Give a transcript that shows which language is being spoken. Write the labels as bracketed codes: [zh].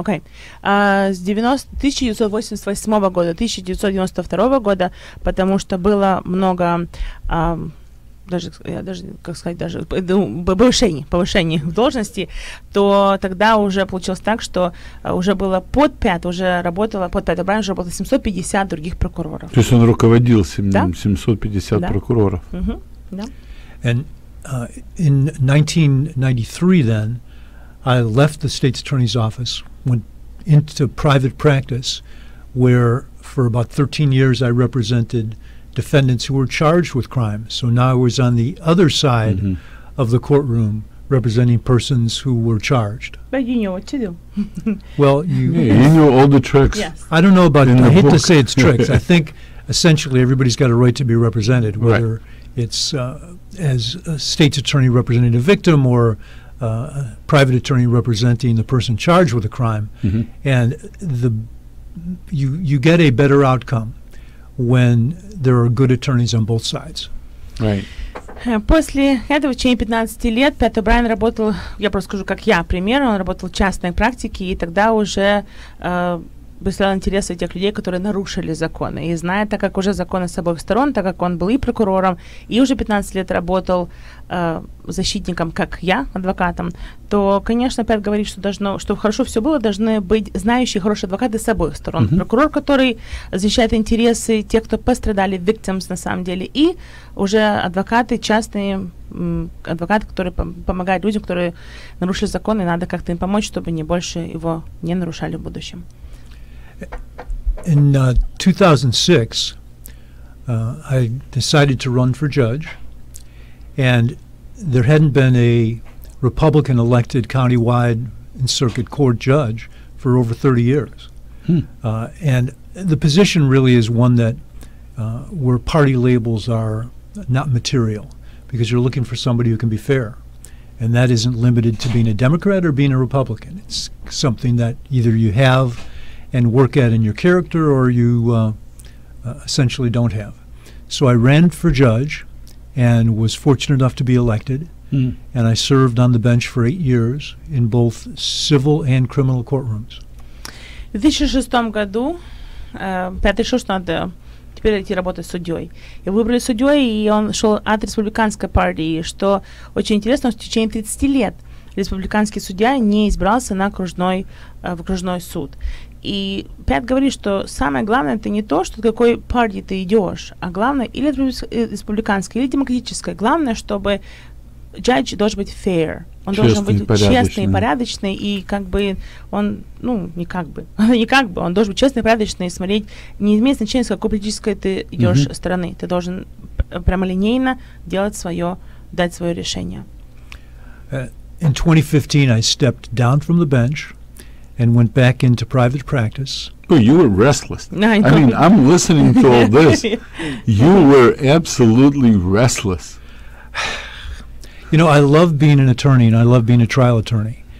[ru] Okay. С 1988 года, 1992 года, потому что было много... даже, я даже, как сказать, даже повышение в должности, то тогда уже получилось так, что уже было под 5, уже работало под 5, правильно, уже работало 750 других прокуроров. То есть он руководил 750 да? прокуроров. Да. [en] And in 1993 then, I left the state's attorney's office, went into private practice, where for about 13 years I represented defendants who were charged with crimes. So now I was on the other side mm-hmm. of the courtroom representing persons who were charged. But you knew what to do. Well, you, yeah, you knew all the tricks. Yes. I don't know about it. I hate to say it's tricks. I think essentially everybody's got a right to be represented, whether right. it's as a state's attorney representing a victim or a private attorney representing the person charged with a crime. Mm-hmm. And the you get a better outcome when there are good attorneys on both sides. Right. [ru] После этого, в течение 15 лет, Пэт О'Брайен работал, я просто скажу, как я, пример, он работал в частной практике, и тогда уже представлял интересы тех людей, которые нарушили законы. И зная, так как уже законы с обоих сторон, так как он был и прокурором, и уже 15 лет работал защитником, как я, адвокатом, то, конечно, Пэт говорит, что должно, чтобы хорошо все было, должны быть знающие хорошие адвокаты с обоих сторон. Mm-hmm. Прокурор, который защищает интересы тех, кто пострадали, victims на самом деле, и уже адвокаты, частные адвокаты, которые помогают людям, которые нарушили законы, надо как-то им помочь, чтобы не больше его не нарушали в будущем. [en] In 2006, I decided to run for judge, and there hadn't been a Republican elected countywide and circuit court judge for over 30 years. And the position really is one that where party labels are not material, because you're looking for somebody who can be fair. And that isn't limited to being a Democrat or being a Republican. It's something that either you have and work at in your character, or you essentially don't have. So I ran for judge, and was fortunate enough to be elected. Mm. And I served on the bench for 8 years in both civil and criminal courtrooms. [ru] В 2006 году Пэт решил, что надо теперь идти работать судьей. И выбрали судьей, и он шел от республиканской партии. Что очень интересно, что в течение 30 лет республиканский судья не избрался на окружной, в окружной суд. И Пэт говорит, что самое главное это не то, что какой партии ты идешь, а главное или республиканской, или демократической. Главное, чтобы judge должен быть fair. Он должен быть честный и порядочный, и смотреть, не имеет значения, с какой политической ты идешь mm-hmm. стороны. Ты должен прямолинейно делать свое, дать свое решение. [en] In 2015, I stepped down from the bench and went back into private practice. Oh, you were restless. I mean, I'm listening to all this. You were absolutely restless. You know, I love being an attorney, and I love being a trial attorney.